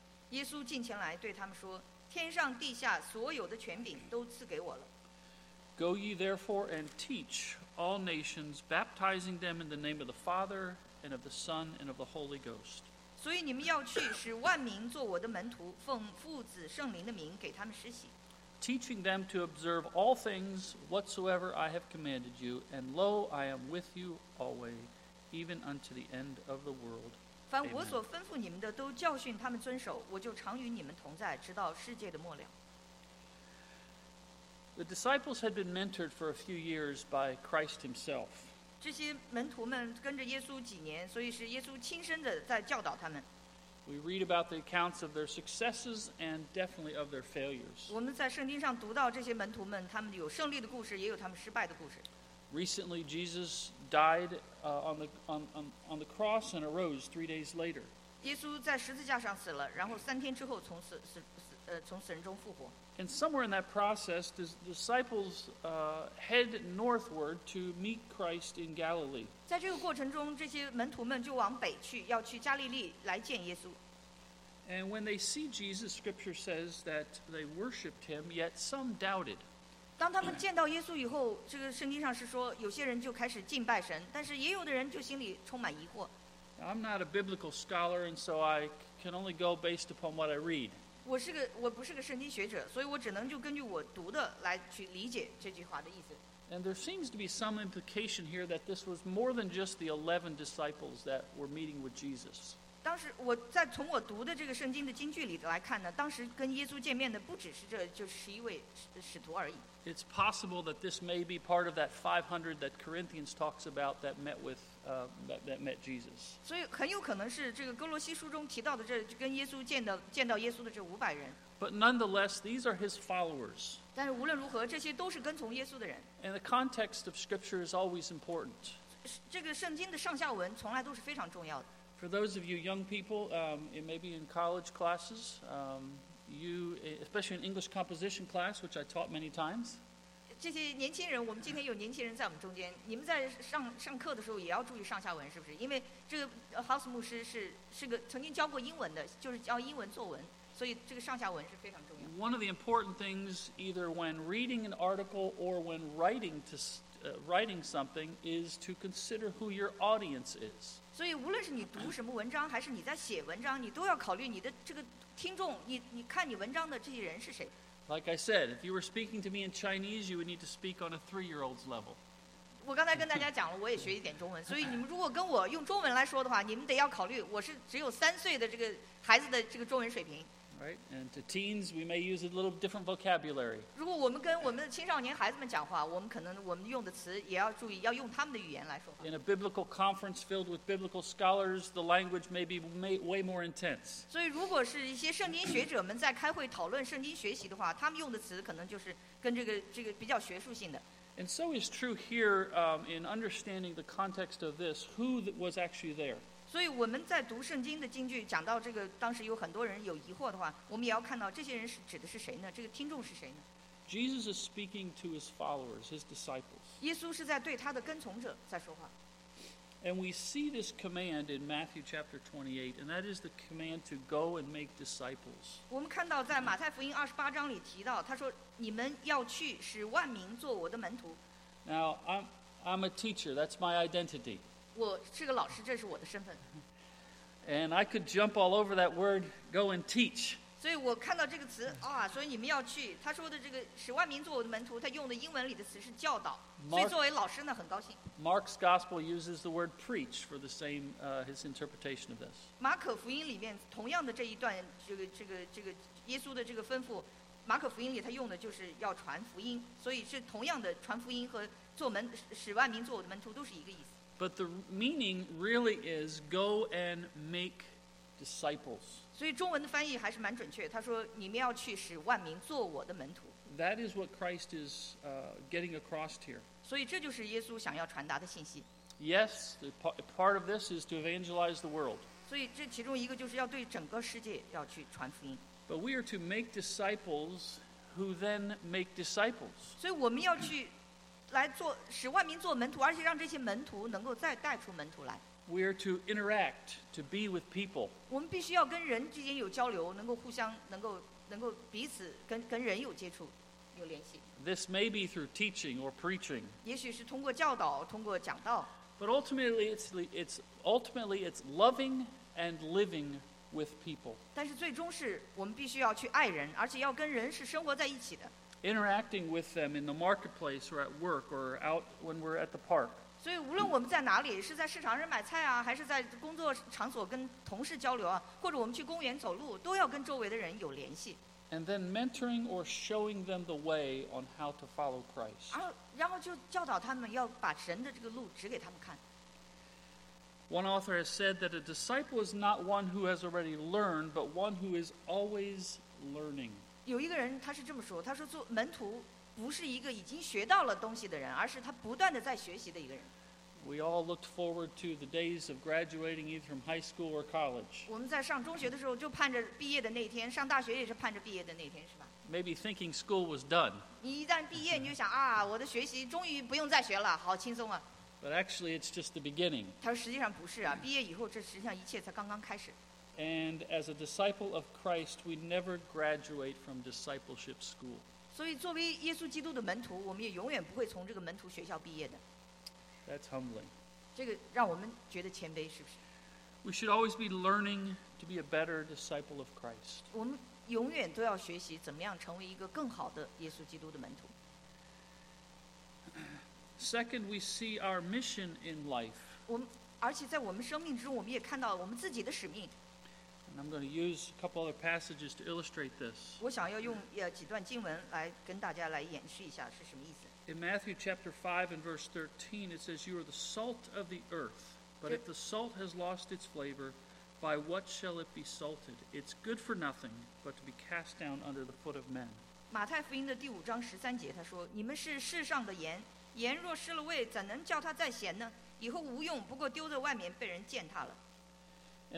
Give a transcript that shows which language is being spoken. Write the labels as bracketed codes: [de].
[zh] 耶稣近前来对他们说，天上地下所有的权柄都赐给我了。 [en] Go ye therefore and teach all nations, baptizing them in the name of the Father and of the Son and of the Holy Ghost. [zh] 所以你们要去，使万民做我的门徒，奉父子圣灵的名给他们施洗。 [en] Teaching them to observe all things whatsoever I have commanded you, and lo, I am with you always, even unto the end of the world. [zh] 凡我所吩咐你们的，都教训他们遵守，我就常与你们同在，直到世界的末了。 [en] The disciples had been mentored for a few years by Christ himself. [zh] 这些门徒们跟着耶稣几年，所以是耶稣亲身的在教导他们。 [en] We read about the accounts of their successes and definitely of their failures. [zh] 我们在圣经上读到这些门徒们，他们有胜利的故事，也有他们失败的故事。 [en] Recently, Jesus died on the cross and arose 3 days later. [zh] 耶稣在十字架上死了，然后三天之后从死人中复活。 [en] And somewhere in that process, the disciples head northward to meet Christ in Galilee. [zh] 在这个过程中，这些门徒们就往北去，要去加利利来见耶稣。 [en] And when they see Jesus, Scripture says that they worshipped him, yet some doubted. [zh] 当他们见到耶稣以后，这个圣经上是说，有些人就开始敬拜神，但是也有的人就心里充满疑惑。 [en] I'm not a biblical scholar, and so I can only go based upon what I read. [zh] 我不是个圣经学者，所以我只能就根据我读的来去理解这句话的意思。 [en] And there seems to be some implication here that this was more than just the 11 disciples that were meeting with Jesus. [zh] 当时我在从我读的这个圣经的经句里来看呢，当时跟耶稣见面的不只是这就十一位使徒而已。 [en] It's possible that this may be part of that 500 that Corinthians talks about that met with that met Jesus. [zh] 所以很有可能是这个哥罗西书中提到的这跟耶稣见到耶稣的这五百人。 [en] But nonetheless, these are his followers. [zh] 但是无论如何，这些都是跟从耶稣的人。 [en] And the context of Scripture is always important. [zh] 这个圣经的上下文从来都是非常重要的。 [en] For those of you young people, it may be in college classes. You, especially in English composition class, which I taught many times. [zh] 这些年轻人，我们今天有年轻人在我们中间。你们在上课的时候也要注意上下文，是不是？因为这个 House 牧师是个曾经教过英文的，就是教英文作文，所以这个上下文是非常重要。 [en] One of the important things, either when reading an article or when writing something, is to consider who your audience is. [zh] 所以无论是你读什么文章，还是你在写文章，你都要考虑你的这个。听众，你看你文章的这些人是谁 [en] ？Like I said, if you were speaking to me in Chinese, you would need to speak on a three-year-old's level. [zh] 我刚才跟大家讲了，我也学一点中文，所以你们如果跟我用中文来说的话，你们得要考虑我是只有三岁的这个孩子的这个中文水平。 [en] Right, and to teens, we may use a little different vocabulary. [zh] 如果我们跟我们的青少年孩子们讲话，我们可能我们用的词也要注意，要用他们的语言来说话。 [en] In a biblical conference filled with biblical scholars, the language may be way more intense. [zh] 所以，如果是一些圣经学者们在开会讨论圣经学习的话，他们用的词可能就是跟这个比较学术性的。 [en] And so is true here, in understanding the context of this, who was actually there. [zh] 所以我们在读圣经的经句，讲到这个当时有很多人有疑惑的话，我们也要看到这些人是指的是谁呢？这个听众是谁呢 [en] ？Jesus is speaking to his followers, his disciples. [zh] 耶稣是在对他的跟从者在说话。 [en] And we see this command in Matthew chapter 28, and that is the command to go and make disciples. [zh] 我们看到在马太福音二十八章里提到，他说：“你们要去，使万民做我的门徒。” [en] Now I'm a teacher. That's my identity. [zh] 我是个老师，这是我的身份。 [en] And I could jump all over that word, go and teach. [zh] 所以我看到这个词啊，所以你们要去。他说的这个使万民做我的门徒，他用的英文里的词是教导。 [en] Mark, [zh] 所以作为老师呢，很高兴。 [en] Mark's gospel uses the word preach for the same his interpretation of this. [zh] 马可福音里面同样的这一段，这个耶稣的这个吩咐，马可福音里他用的就是要传福音，所以是同样的传福音和做门使万民做我的门徒都是一个意思。 [en] But the meaning really is go and make disciples. [zh] 所以中文的翻译还是蛮准确。他说：“你们要去使万民做我的门徒。” [en] That is what Christ is getting across here. [zh] 所以这就是耶稣想要传达的信息。 [en] Yes, part of this is to evangelize the world. [zh] 所以这其中一个就是要对整个世界要去传福音。 [en] But we are to make disciples who then make disciples. [zh] 所以我们要去。来做使万民做门徒，而且让这些门徒能够再带出门徒来。 [en] We are to interact to be with people. [zh] 我们必须要跟人之间有交流，能够互相能够彼此跟人有接触，有联系。 [en] This may be through teaching or preaching. [zh] 也许是通过教导，通过讲道。 [en] But ultimately, it's loving and living with people. [zh] 但是最终是我们必须要去爱人，而且要跟人是生活在一起的。 [en] Interacting with them in the marketplace or at work or out when we're at the park. [zh] 所以无论我们在哪里，是在市场上买菜啊，还是在工作场所跟同事交流啊，或者我们去公园走路，都要跟周围的人有联系。 [en] And then mentoring or showing them the way on how to follow Christ. [zh] 然后就教导他们要把神的这个路指给他们看。 [en] One author has said that a disciple is not one who has already learned, but one who is always learning. [zh] 有一个人他是这么说，他说做门徒不是一个已经学到了东西的人，而是他不断的在学习的一个人。 [en] We all looked forward to the days of graduating either from high school or college. [zh] 我们在上中学的时候就盼着毕业的那天，上大学也是盼着毕业的那天，是吧？ [en] Maybe thinking school was done. [zh] 你一旦毕业，你就想啊，我的学习终于不用再学了，好轻松啊。 [en] But actually, it's just the beginning. [zh] 他说实际上不是啊，毕业以后这实际上一切才刚刚开始。 [en] And as a disciple of Christ, we never graduate from discipleship school. [zh] 所以作为耶稣基督的门徒，我们也永远不会从这个门徒学校毕业的。 [en] That's humbling. [zh] 这个让我们觉得谦卑，是不是？ [en] We should always be learning to be a better disciple of Christ. [zh] 我们永远都要学习怎么样成为一个更好的耶稣基督的门徒。 [en] Second, we see our mission in life. [zh] 而且在我们生命之中，我们也看到我们自己的使命。 [en] And I'm going to use a couple other passages to illustrate this. [zh] 我想要用几段经文来跟大家来演示一下是什么意思。 [en] In Matthew chapter 5 and verse 13, it says, "You are the salt of the earth. But if the salt has lost its flavor, by what shall it be salted? It's good for nothing but to be cast down under the foot of men." [zh] 马太福音的第五章十三节，他说：“你们是世上的盐。” 盐若失了味，怎能叫它再咸呢？以后无用，不过丢在外面被人践踏了。